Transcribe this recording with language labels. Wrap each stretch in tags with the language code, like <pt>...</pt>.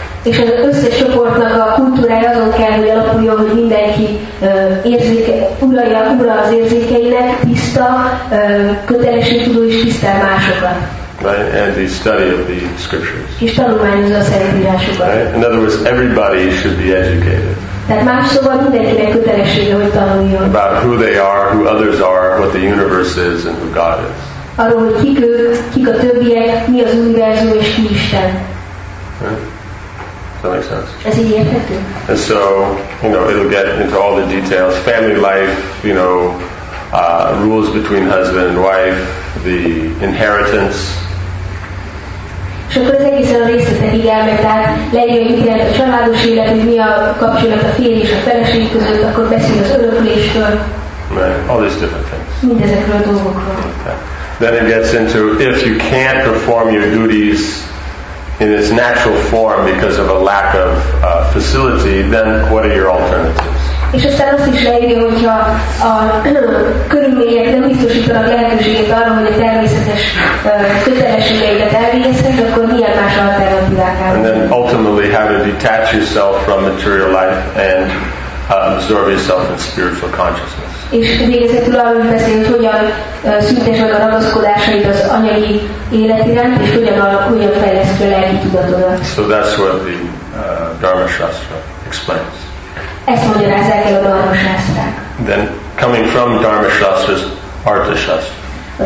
<hu>És az összes csoportnak a kultúrája azon kell, hogy alapuljon, hogy mindenki ura az érzékeinek, tiszta, kötelességtudó és tisztel másokat.</hu> <en>Right? And the study of the scriptures.</en> <hu>És tanulmányozza a szentírásokat.</hu> <en>Right? In other words, everybody should be educated.</en> <hu>Tehát más szóval mindenkinek kötelessége, hogy tanuljon.</hu> <en>About who they are, who others are, what the universe is, and who God is.</en> <hu>Arról, hogy kik ők, kik a többiek, mi az univerzum és ki Isten.</hu> <en>That makes sense.</en> <hu>Ez így érthető.</hu> <en>And so, you know, it'll get into all the details. Family life, you know, rules between husband and wife, the inheritance.</en> <hu>És akkor az egészen a részletekig elmegy, tehát legyen minden a családos élet, hogy mi a kapcsolat a férj és a feleség között, akkor beszél az öröklésről.</hu> <en>All these different things.</en> <hu>Mindezekről a dolgokról.</hu> <en>Okay. Then it gets into, if you can't perform your duties in its natural form because of a lack of facility, then what are your alternatives?</en> <hu>És aztán azt is leírja, hogyha a körülmények nem biztosítanak lehetőséget arra, hogy a természetes kötelességeidet elvégezhet, akkor milyen más alternatívák áll.</hu> <en>And then ultimately how to detach yourself from material life and absorb yourself in spiritual consciousness.</en> <hu>És végezetül arról beszélünk, hogyan szüntesd meg a ragaszkodásaid az anyagi élet iránt, és hogyan fejleszd fel a lelki tudatodat.</hu> <en>So that's what the Dharma Shastra explains. Then coming from Dharma Shastra is Artha Shastra.</en>